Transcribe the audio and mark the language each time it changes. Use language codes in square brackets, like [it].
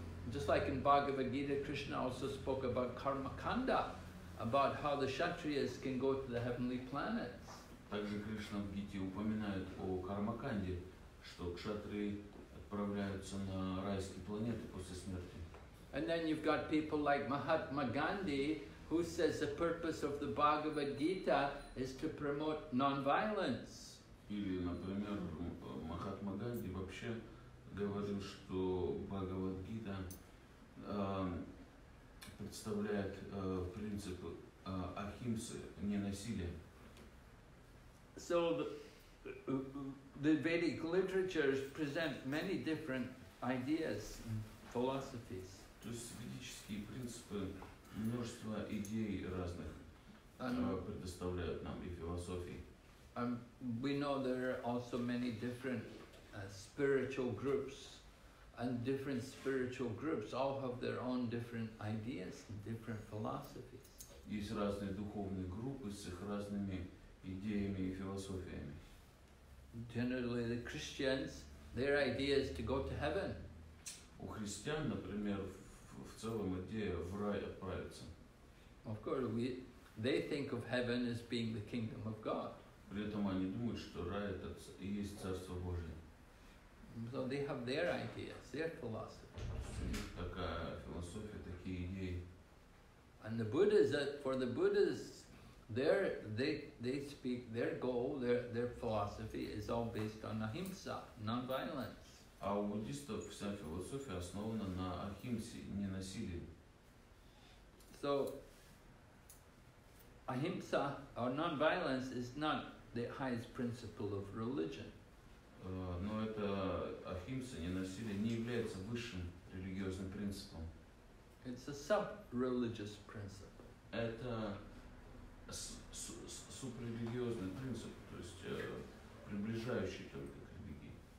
[en] Just like in Bhagavad Gita, Krishna also spoke about karma kanda, about how the kshatriyas can go to the heavenly planets. [ru] Также Кришна в Гите упоминает о карма канде, что кшатри отправляются на райские планеты после смерти. [en] And then you've got people like Mahatma Gandhi, who says the purpose of the Bhagavad Gita is to promote non-violence. [ru] Или, например, Махатма Ганди вообще говорил, что Бхагавад-гита представляет принцип ахимсы, ненасилия. [en] So the Vedic literatures present many different ideas, philosophies. [ru] То есть ведические принципы множество идей разных предоставляют нам и философии. [en] We know there are also many different spiritual groups, and different spiritual groups all have their own different ideas and different philosophies. [ru] Есть разные духовные группы с их разными идеями и философиями. [en] Generally, the Christians, their idea is to go to heaven. [ru] У христиан, например, в целом идея в рай отправиться. [en] Of course, they think of heaven as being the kingdom of God. [ru] При этом они думают, что рай — это и есть Царство Божие. [en] So they have their ideas, their philosophy. [ru] Такая философия, такие идеи. [en] And the Buddhas, for the Buddhas, they speak, their goal, their philosophy is all based on ahimsa, non-violence. [ru] А у буддистов вся философия основана на ахимсе, ненасилии. [en] So ahimsa or non-violence is not the highest principle of religion. [ru] Но это ахимса, ненасилие, не является высшим религиозным принципом. [en] It's a sub-religious principle. [ru] Это субрелигиозный принцип, то есть приближающий только к религии.